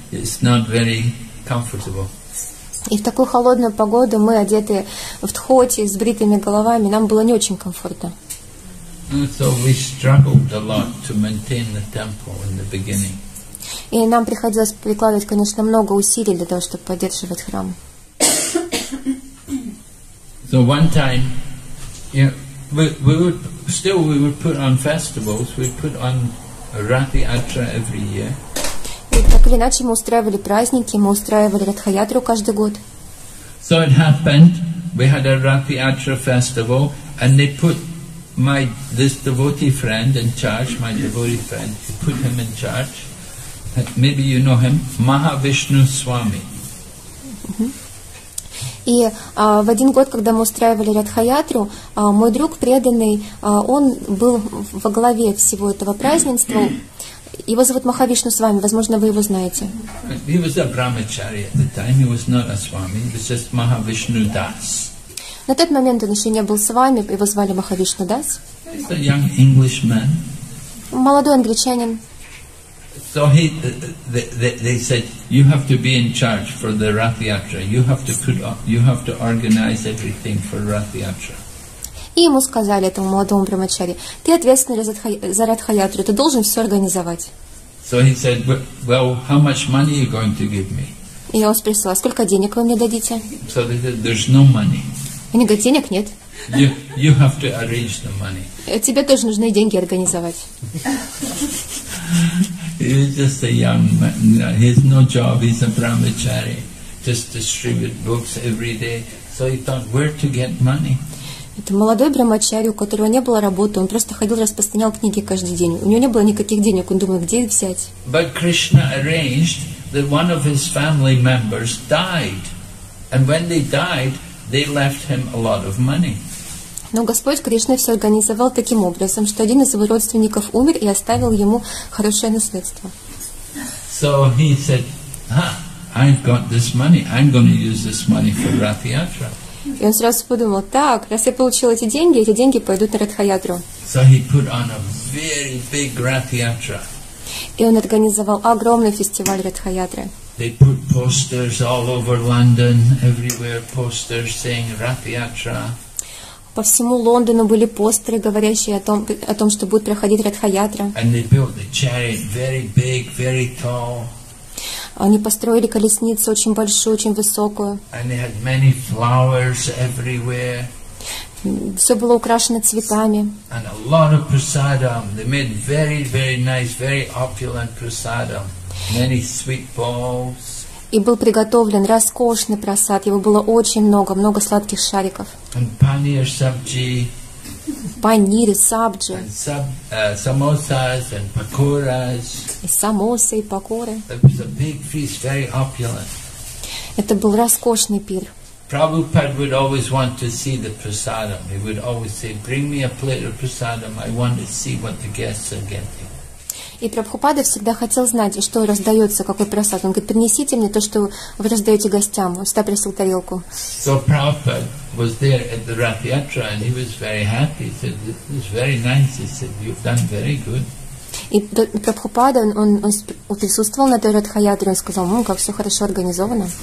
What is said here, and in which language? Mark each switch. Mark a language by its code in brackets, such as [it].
[en] It's not very comfortable. [ru] И в такую холодную погоду мы одеты в тхоти с бритыми головами, нам было не очень комфортно. [en] So we struggled a lot to maintain the temple in the beginning. [ru] И нам приходилось прикладывать, конечно, много усилий для того, чтобы поддерживать храм. [en] So one time, you know, we would put on festivals, we put on Rathi Atra every year. [ru] И так или иначе, мы устраивали праздники, мы устраивали Ратха-ятру каждый год. [en] So it happened, we had a Ратха-ятра festival, and they put this devotee friend in charge, my devotee friend, put him in charge. Maybe you know him, Mahavishnu Swami. [ru] И в один год, когда мы устраивали Ратха-ятру, мой друг преданный, он был во главе всего этого празднества. Его зовут Махавишну Свами, возможно, вы его знаете. [en] He was a brahmachari at the time, he was not a swami, he was just Mahavishnu Das. [ru] На тот момент он еще не был свами, его звали Махавишну Дас. [en] He's a young Englishman. [ru] Молодой англичанин. [en] So they said, you have to be in charge for the Ratha-yatra, you have to organize everything for Ratha-yatra. [ru] И ему сказали, этому молодому брахмачари, ты ответственный за Ратха-ятру, ты должен все организовать. [en] So he said, well, how much money are you going to give me? [ru] И я вам спросила, сколько денег вы мне дадите? [en] So they said, there's no money. [ru] Они говорят, денег нет. [en] You have to arrange the money. [ru] Тебе тоже нужны деньги организовать. [en] He's just a young man. He has no job. He's a brahmachari. Just distribute books every day. So he thought, where to get money? [ru] Это молодой брахмачари, у которого не было работы, он просто ходил, распространял книги каждый день. У него не было никаких денег, он думал, где их взять. [en] But Krishna arranged that one of his family members died. And when they died, they left him a lot of money. [ru] Но Господь Кришна все организовал таким образом, что один из его родственников умер и оставил ему хорошее наследство. [en] So he said, I've got this money, I'm going to use this money for Ratha Yatra. [ru] И он сразу подумал, так, раз я получил эти деньги пойдут на Ратха-Ятру. [en] So he put on a very big Ратха-Ятра. [ru] И он организовал огромный фестиваль Ратха-Ятры. [en] They put posters all over London, everywhere posters saying Ратха-Ятра. [ru] По всему Лондону были постеры, говорящие о том, что будет проходить Ратха-Ятра. [en] And they built the chariot very big, very tall. [ru] Они построили колесницу очень большую, очень высокую. [en] And they had many flowers everywhere. [ru] Все было украшено цветами. [en] And a lot of prasadam. They made very, very nice, very opulent prasadam. Many sweet balls. [ru] И был приготовлен роскошный прасад. Его было очень много, много сладких шариков. [en] And paneer sabji. [ru] Панир и сабджи. [en] And samosas and pakoras. [ru] И самосы, и пакоры. [en] It was a big feast, very opulent. [ru] Это был роскошный пир. [en] Prabhupada would always want to see the prasadam. He would always say, bring me a plate of prasadam. I want to see what the guests are getting. [ru] И Прабхупада всегда хотел знать, что раздается, какой прасад. Он говорит, принесите мне то, что вы раздаете гостям. Он всегда просил тарелку. [en] So Prabhupada was there at the Ratha Yatra, and he was very happy. He said, this is very nice. He said, you've done very good. [ru] И Прабхупада, он присутствовал на той Ратха Ятре, он сказал, как все хорошо организовано.